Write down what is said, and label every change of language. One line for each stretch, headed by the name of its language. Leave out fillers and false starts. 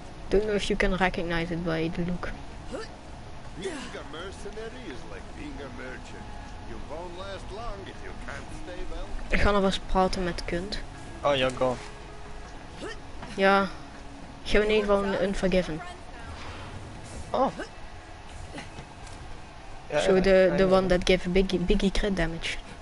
English: Don't know if you can recognize it by the look. Being a mercenary is like being a merchant. You won't last long if you can't stay well.
Dutch: Ik ga nog eens praten met Kunt.
English: Oh, you're gone.
Dutch: Ja, ik heb in ieder geval een Unforgiven. Oh.
English: Yeah, so the one that gave Biggie crit damage.